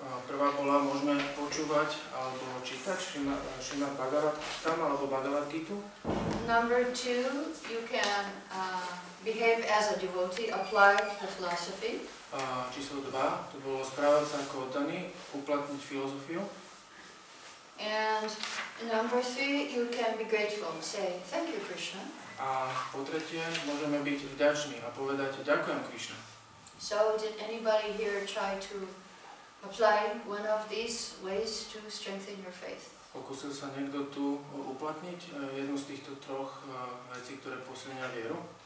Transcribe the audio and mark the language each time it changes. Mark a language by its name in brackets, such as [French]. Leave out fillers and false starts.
[Slovak] Prvá bola, môžeme počúvať alebo čítať Srimad Bhagavatam alebo Bhagavad Gita. [English] Number two, you can behave as a devotee, apply the philosophy. [Slovak] Číslo dva, to bolo správať sa ako oddaný, uplatniť filozofiu. [English] And number three, you can be grateful, say thank you, Krishna. [Slovak] A po tretie, môžeme byť vďační a povedať ďakujem, Krišna. [English] So did anybody here try to apply one of these ways to strengthen your faith? [Slovak] Pokúsil sa niekto tu uplatniť jednu z týchto troch vecí, ktoré posilňujú vieru?